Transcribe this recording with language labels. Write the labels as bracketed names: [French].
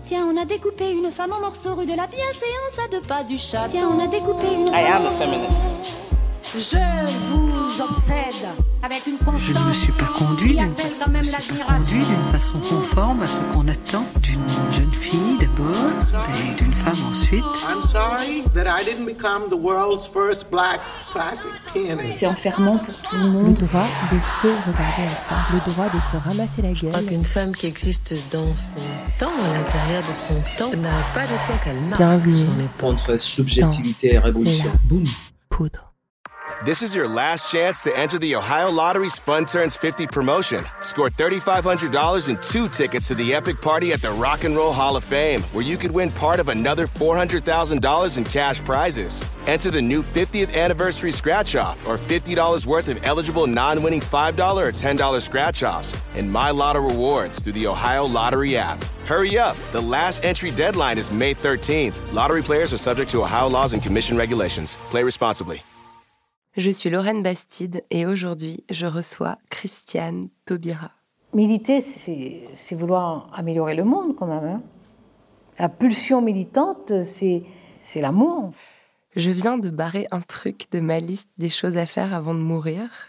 [French] Tiens, on a découpé une femme en morceaux rue de la bienséance à deux pas du chat. Tiens, on a découpé une femme. [English] I am a feminist. [French] Je vous obsède avec une constance. Je ne me suis pas conduite d'une façon conforme à ce qu'on attend d'une jeune fille d'abord et d'une femme ensuite. [English] I'm sorry that I didn't become the world's first black classic pianist. [French] C'est enfermant pour tout le monde. Le droit de se regarder en face, le droit de se ramasser la gueule. Je crois qu'une femme qui existe dans son temps, à l'intérieur de son temps, n'a pas de quoi qu'elle marque. Bienvenue. Son épontre subjectivité et révolution. Boum. Poudre. [English] This is your last chance to enter the Ohio Lottery's Fun Turns 50 promotion. Score $3,500 and two tickets to the epic party at the Rock and Roll Hall of Fame, where you could win part of another $400,000 in cash prizes. Enter the new 50th anniversary scratch-off, or $50 worth of eligible non-winning $5 or $10 scratch-offs, and My Lotto Rewards through the Ohio Lottery app. Hurry up! The last entry deadline is May 13th. Lottery players are subject to Ohio laws and commission regulations. Play responsibly. [French] Je suis Lorraine Bastide et aujourd'hui, je reçois Christiane Taubira. Militer, c'est vouloir améliorer le monde quand même. Hein. La pulsion militante, c'est l'amour. Je viens de barrer un truc de ma liste des choses à faire avant de mourir.